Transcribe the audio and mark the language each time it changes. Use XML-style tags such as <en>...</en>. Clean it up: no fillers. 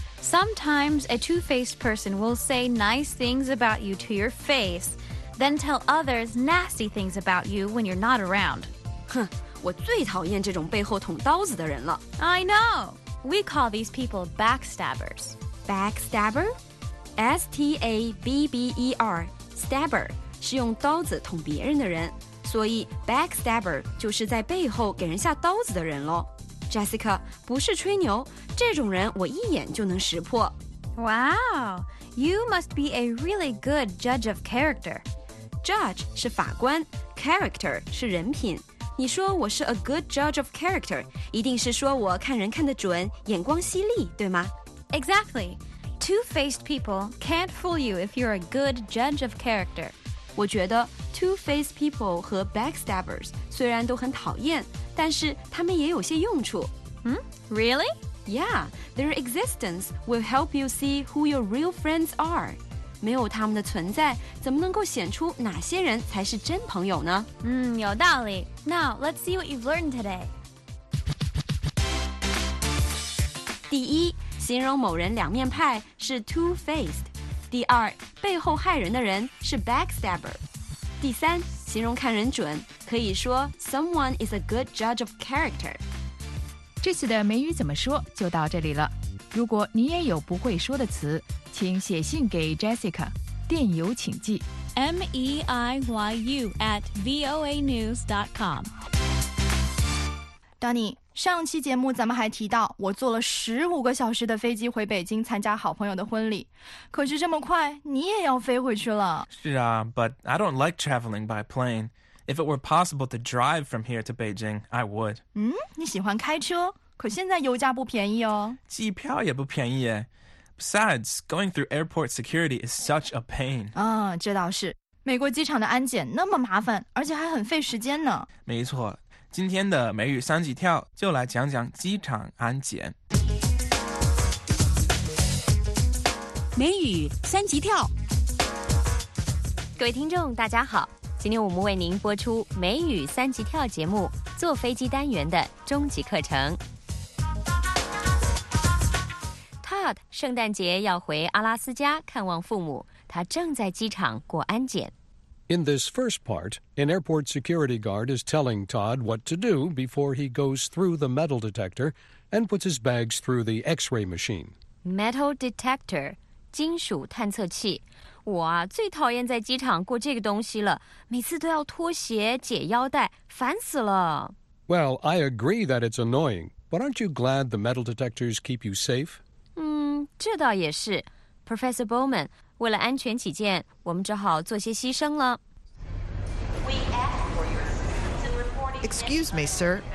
<en>Sometimes a two-faced person will say nice things about you to your face, then tell others nasty things about you when you're not around.</en> <zh>哼，我最讨厌这种背后捅刀子的人了。</zh> <en>I know. We call these people backstabbers. Backstabber? S-T-A-B-B-E-R.</en> <zh>Stabber 是用刀子捅别人的人，所以 backstabber 就是在背后给人下刀子的人咯。 Jessica, 不是吹牛，这种人我一眼就能识破。</zh> <en>Wow, you must be a really good judge of character.</en> <zh>Judge 是法官， character 是人品。你说我是</zh> <en>a good judge of character,</en> <zh>一定是说我看人看得准，眼光犀利，对吗？</zh> <en>Exactly. Two-faced people can't fool you if you're a good judge of character.</en> <zh>我觉得 two-faced people 和 backstabbers 虽然都很讨厌，但是他们也有些用处。</zh> <en>Hmm? Really? Yeah, their existence will help you see who your real friends are.</en> <zh>没有他们的存在，怎么能够显出哪些人才是真朋友呢？有道理。</zh> <en>Now, let's see what you've learned today.</en> <zh>第一，形容某人两面派是 two-faced. 第二，背后害人的人是 backstabber. 第三，形容看人准，可以说</zh> <en>someone is a good judge of character.</en> <zh>这次的美语怎么说就到这里了。如果你也有不会说的词，请写信给 Jessica， 电邮请寄</zh> <en>meiyu@voanews.com。</en> <zh>Donny， 上期节目咱们还提到我坐了15个小时的飞机回北京参加好朋友的婚礼，可是这么快你也要飞回去了。是啊，</zh> <en>but I don't like traveling by plane. If it were possible to drive from here to Beijing, I would.</en> <zh>你喜欢开车，可现在油价不便宜哦。机票也不便宜耶。</zh> <en>Besides, going through airport security is such a pain.</en> <zh>这倒是。美国机场的安检那么麻烦，而且还很费时间呢。没错，今天的美语三级跳就来讲讲机场安检。美语三级跳。各位听众大家好，今天我们为您播出美语三级跳节目坐飞机单元的终极课程。 Todd 圣诞节要回阿拉斯加看望父母，他正在机场过安检。</zh> <en>In this first part, an airport security guard is telling Todd what to do before he goes through the metal detector and puts his bags through the X-ray machine.</en> <zh>Metal detector, 金属探测器。我啊，最讨厌在机场过这个东西了，每次都要脱鞋解腰带，烦死了。</zh> <en>Well, I agree that it's annoying, but aren't you glad the metal detectors keep you safe?</en> <zh>这倒也是。Professor Bowman,为了安全起见，我们只好做些牺牲了。</zh> <en>Excuse me, sir.</en>